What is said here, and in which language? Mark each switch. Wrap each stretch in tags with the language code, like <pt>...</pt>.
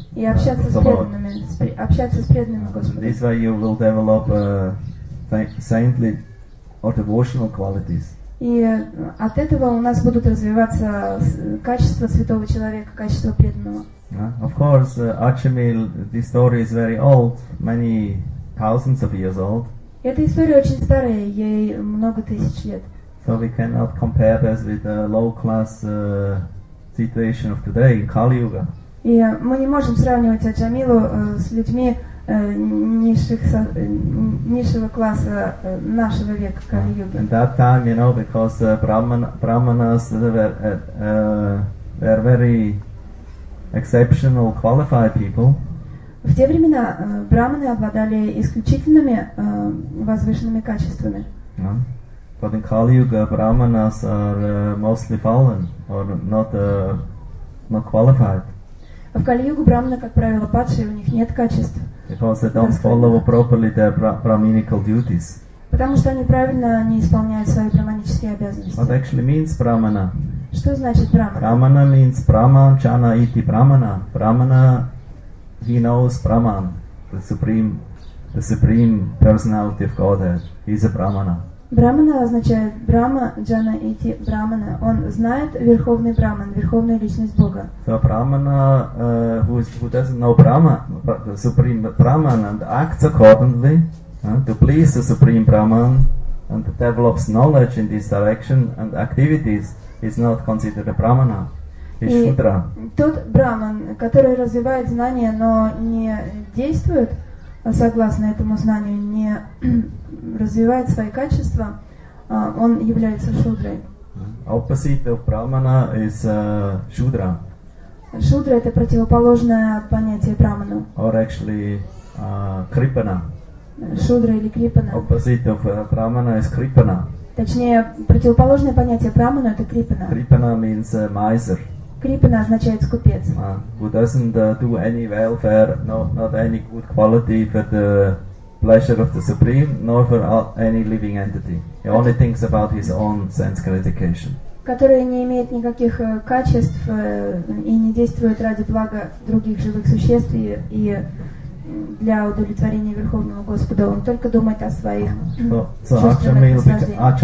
<ru>И общаться с преданными. Общаться с преданными Господом.</ru> <en>This way you will develop saintly or devotional qualities.</en> <ru>И от этого у нас будут развиваться качества святого человека, качества преданного.</ru> <en>Of course, Achamil, this story is very old, many thousands of years old.</en> <ru>Эта история очень старая, ей много тысяч лет.</ru> <en>So we cannot compare this with the low class situation of today in Kali Yuga.</en> <ru>И мы не можем сравнивать Аджамилу с людьми низшего класса нашего века Кали Юга.</ru> <en>In that time, you know, because brahmanas were very exceptional qualified people.</en> <ru>В те времена брахманы обладали исключительными возвышенными качествами.</ru> <en>But in Kali Yuga, brahmanas are mostly fallen or not qualified.</en> <ru>В Кали Юге брахманы, как правило, падшие, у них нет качеств.</ru> <en>Because they don't follow properly their brahminical duties.</en> <ru>Потому что они правильно не исполняют свои брахманические обязанности.</ru> <en>What actually means brahmana?</en> <ru>Что значит брахмана?</ru> <en>Brahmana means brahman, chana iti brahmana. Brahmana, he knows brahman, the supreme personality of Godhead. He's a brahmana.</en> <ru>Брахмана означает Брахма, Джана, Ити, Брахмана. Он знает Верховный Брахман, Верховную Личность Бога.</ru> <en>So Brahmana, who doesn't know Brahma, but the Supreme Brahman, and acts accordingly, to please the Supreme Brahman, and develops knowledge in this direction and activities, is not considered a Brahmana.</en> <ru>Шудра. Тот Брахман, который развивает знания, но не действует согласно этому знанию, не развивает свои качества, он является шудрой.</ru> <en>Opposite of brahmana is shudra.</en> <ru>Шудра — это противоположное от понятия брахмана.</ru> <en>Or actually крипана.</en> <ru>Шудра или крипана.</ru> <en>Opposite of brahmana is крипана.</en> <ru>Точнее, противоположное понятие брахмана — это крипана.</ru> <en>Крипана means miser.</en> <ru>Крипана означает скупец.</ru> <en>Who doesn't do any welfare, not any good quality for the pleasure of the Supreme, nor for any living entity. He only thinks about his own sense gratification.</en> <ru>Который не имеет никаких качеств и не действует ради блага других живых существ и для удовлетворения Верховного Господа, он только думает о своих чувственных наслаждениях.</ru>